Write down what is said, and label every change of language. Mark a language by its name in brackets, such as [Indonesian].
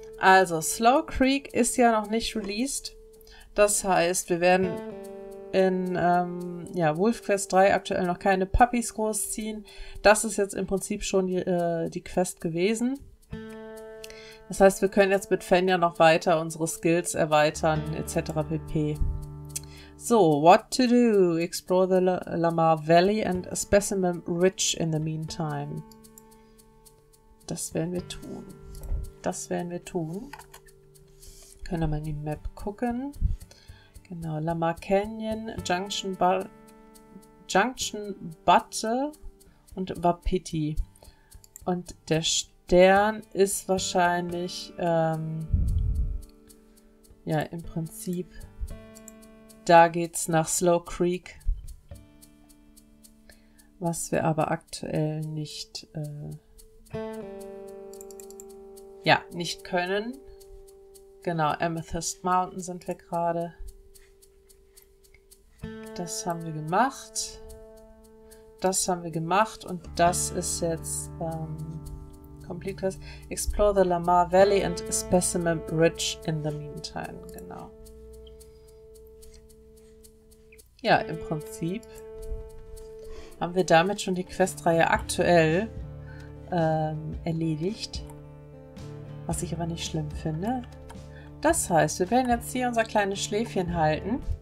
[German] Also, Slow Creek ist ja noch nicht released. Das heißt, wir werden in Wolf Quest 3 aktuell noch keine Puppies großziehen. Das ist jetzt im Prinzip schon die Quest gewesen. Das heißt, wir können jetzt mit Fenja noch weiter unsere Skills erweitern, etc. [English] pp. So, what to do? Explore the Lamar Valley and a Specimen Ridge in the meantime. [German] Das werden wir tun. Das werden wir tun. Können wir mal in die Map gucken. Genau, Lamar Canyon, Junction Butte und Wapiti. Und der Stern ist wahrscheinlich ja im Prinzip, da geht's nach Slow Creek, was wir aber aktuell nicht ja, nicht können. Genau, Amethyst Mountain sind wir gerade. Das haben wir gemacht. Das haben wir gemacht. Und das ist jetzt Complete Quest. [English] Explore the Lamar Valley and Specimen Ridge in the meantime. [German] Genau. Ja, im Prinzip haben wir damit schon die Questreihe aktuell erledigt. Was ich aber nicht schlimm finde. Das heißt, wir werden jetzt hier unser kleines Schläfchen halten.